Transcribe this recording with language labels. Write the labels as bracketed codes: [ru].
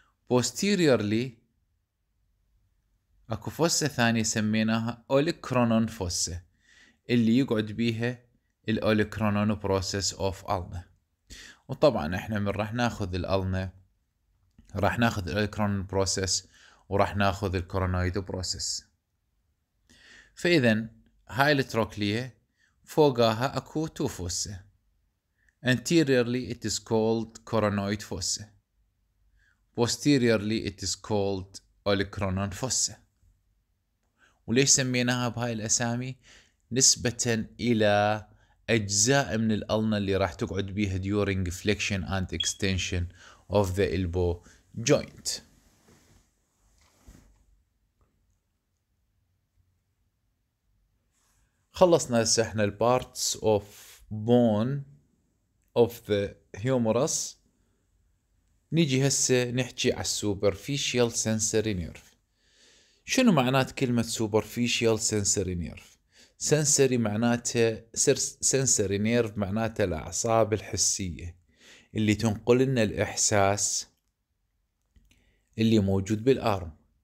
[ar] بوستيريرلي اكو فوسة ثانية سميناها اوليكرونون فوسة اللي يقعد بيها الأوليكرونون بروسس أوف ألنا. وطبعا احنا من راح ناخذ الألنا راح ناخذ الأوليكرونون بروسس وراح ناخذ الكورونويد بروسس. فاذا هاي التروكليه فوقها اكو [en] Two fossa. Anteriorly it is called coronoid fossa. Posteriorly it is called olecranon fossa. [ar] وليش سميناها بهاي الأسامي؟ نسبة إلى أجزاء من الألنة اللي راح تقعد بيها [en] during flexion and extension of the elbow joint. [ar] خلصنا احنا [en] الparts of bone of the humerus. [ar] نيجي هسه نحكي على [en] superficial sensory nerve. [ar] شنو معنات كلمة [en] superficial sensory nerve؟ [ar] sensory معناته [en] sensory nerve [ar] معناته الأعصاب الحسية اللي تنقل لنا الإحساس اللي موجود بالأرم.